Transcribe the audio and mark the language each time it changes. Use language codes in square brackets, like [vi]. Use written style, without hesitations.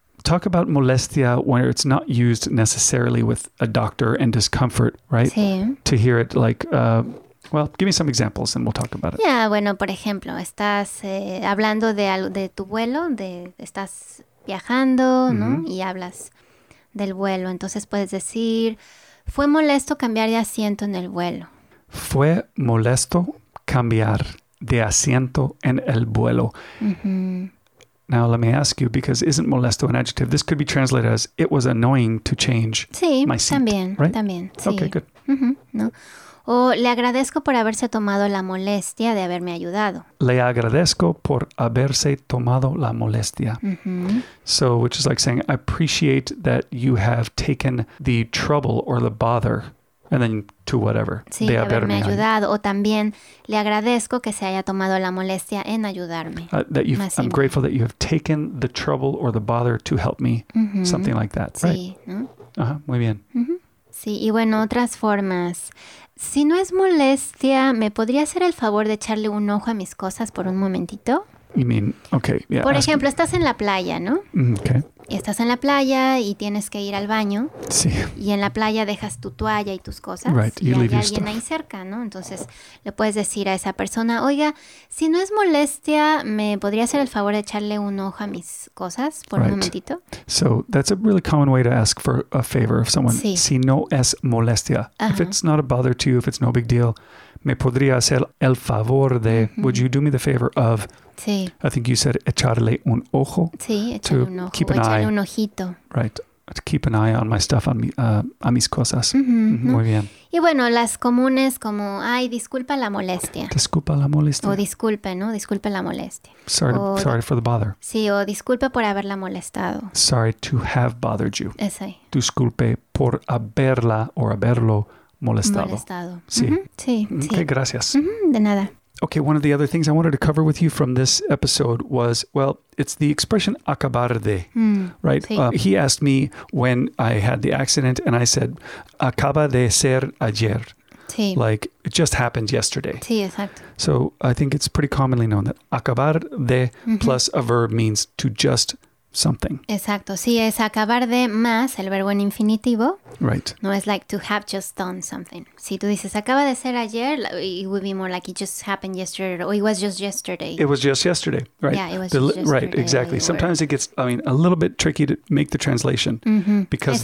[en] Talk about molestia where it's not used necessarily with a doctor and discomfort, right? [es] Sí. [en] To hear it like, well, give me some examples and we'll talk about it. [es] Yeah, bueno, por ejemplo, estás hablando de tu vuelo, estás viajando, ¿no? Mm-hmm. Y hablas del vuelo. Entonces puedes decir, fue molesto cambiar de asiento en el vuelo. Fue molesto cambiar de asiento en el vuelo. Mm-hmm. [en] Now, let me ask you, because isn't molesto an adjective? This could be translated as, it was annoying to change [es] sí, [en] my seat. [es] También, [en] right? [es] También, sí. [en] Okay, good. [es] Uh-huh, no. O le agradezco por haberse tomado la molestia de haberme ayudado. Le agradezco por haberse tomado la molestia. Uh-huh. [en] So, which is like saying, I appreciate that you have taken the trouble or the bother. And then to whatever. [es] Sí, de haberme ayudado. O también, le agradezco que se haya tomado la molestia en ayudarme. [en] I'm grateful that you have taken the trouble or the bother to help me. Mm-hmm. Something like that, [es] sí, [en] right? [es] ¿No? Uh-huh, muy bien. Mm-hmm. Sí, y bueno, otras formas. Si no es molestia, ¿me podría hacer el favor de echarle un ojo a mis cosas por un momentito? [en] You mean, okay, yeah. [es] Por ejemplo, estás en la playa, ¿no? [en] Okay. [es] Y estás en la playa y tienes que ir al baño. Sí. Y en la playa dejas tu toalla y tus cosas. [en] Right, [es] y [en] leave [es] hay alguien [en] stuff. [es] Ahí cerca, ¿no? Entonces le puedes decir a esa persona, oiga, si no es molestia, ¿me podría hacer el favor de echarle un ojo a mis cosas por [en] right. [es] un momentito? [en] So that's a really common way to ask for a favor of someone. [es] Sí. Si no es molestia. Uh-huh. [en] If it's not a bother to you, if it's no big deal, [es] ¿me podría hacer el favor de, [en] mm-hmm. would you do me the favor of... [es] Sí. [en] I think you said echarle un ojo. [es] Sí, echarle un ojo. [en] Keep an [es] o echarle [en] eye, [es] un ojito. [en] Right. To keep an eye on my stuff, on [es] a mis cosas. Mm-hmm. Muy bien. Y bueno, las comunes como, ay, disculpa la molestia. Disculpa la molestia. O disculpe, ¿no? Disculpe la molestia. [en] Sorry for the bother. [es] Sí, o disculpe por haberla molestado. [en] Sorry to have bothered you. [es] Ese. Disculpe por haberla o haberlo molestado. Molestado. Sí. Mm-hmm. Sí. [en] Okay, [es] sí. Gracias. Mm-hmm. De nada. [en] Okay, one of the other things I wanted to cover with you from this episode was, well, it's the expression acabar de, right? [es] Sí. [en] He asked me when I had the accident and I said, [es] acaba de ser ayer. Sí. [en] Like, it just happened yesterday. [es] Sí, exacto. [en] So I think it's pretty commonly known that acabar de mm-hmm. plus a verb means to just something. [es] Exacto. Sí, es acabar de más, el verbo en infinitivo. [en] Right. No, it's like to have just done something. [es] Si tú dices, acaba de ser ayer, [en] it would be more like it just happened yesterday, or it was just yesterday. It was just yesterday, right? Yeah, it was just yesterday. Right, exactly. Sometimes it gets, a little bit tricky to make the translation because